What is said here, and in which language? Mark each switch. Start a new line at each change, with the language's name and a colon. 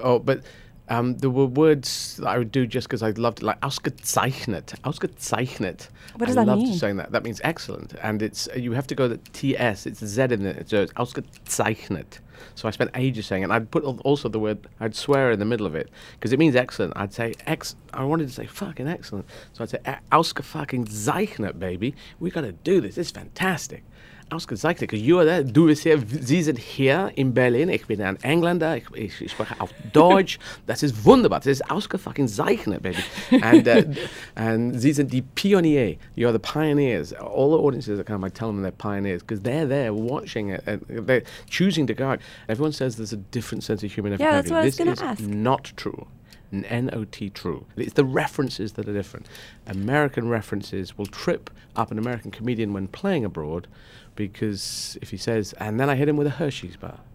English: Oh, but there were words that I would do just because I loved it, like ausgezeichnet. Ausgezeichnet. What does that mean? I loved saying that. That means excellent. And it's you have to go the TS, it's Z in it, so it's ausgezeichnet. So I spent ages saying it. And I'd put also the word, I'd swear in the middle of it, because it means excellent. I'd say, I wanted to say fucking excellent. So I'd say, ausgezeichnet, baby. We got to do this. It's fantastic. Ausgezeichnet, because you are there.
German: Du bist hier. Sie sind hier in Berlin. Ich bin ein Engländer. Ich spreche auf Deutsch. Das ist wunderbar. Das ist ausgezeichnet, baby. And sie sind die Pionier.
English: You are the pioneers. All the audiences are kind of like telling them they're pioneers, because they're there watching it. And they're choosing to go. Everyone says there's a different sense of humor. Yeah, that's what I was going to ask. This is not true. N-O-T true. It's the references that are different. American references will trip up an American comedian when playing abroad, because if he says, and then I hit him with a Hershey's bar.